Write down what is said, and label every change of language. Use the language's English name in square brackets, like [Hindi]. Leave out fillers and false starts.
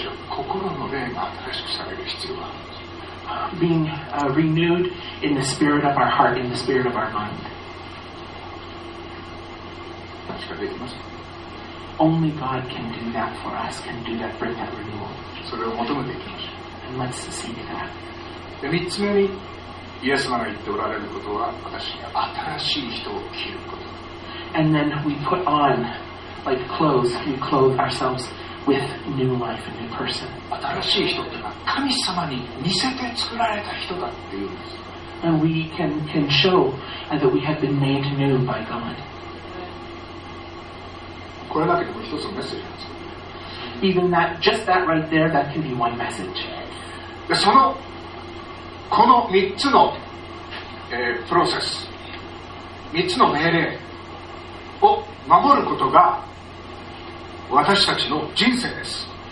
[Japanese] 心の霊が新しくされる必要があります。 [English] Being renewed in the spirit of our heart, in the spirit of our mind. [Japanese] 確かできます。 [English] Only God can do that for us, can do that, bring that renewal. [Japanese] それを求めていきましょう。 [English] And let's seek that. [Japanese] で、3つ目に、イエス様が言っておられることは、私が新しい人を着ること。 [English] And then we put on, like clothes, we clothe ourselves. With new life, a new person. [Japanese] 新しい人というのは神様に似せて作られた人だっていうんです。 [English] And we can show that we have been made new by God. [Japanese] これだけでも一つのメッセージなんですよね。 [English] even that, just that right there, that can be one message. [Japanese] で、その、この三つの、プロセス、三つの命令を守ることが私たちの人生です。